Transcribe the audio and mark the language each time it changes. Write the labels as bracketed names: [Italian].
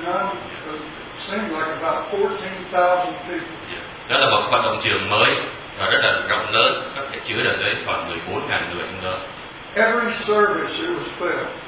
[English] Nam, seemed like about 14,000 people. [Vietnamese] Đó là một vận động trường mới và rất là rộng lớn, có thể chứa được tới khoảng 14.000 người trong đó. [English] Every service it was filled.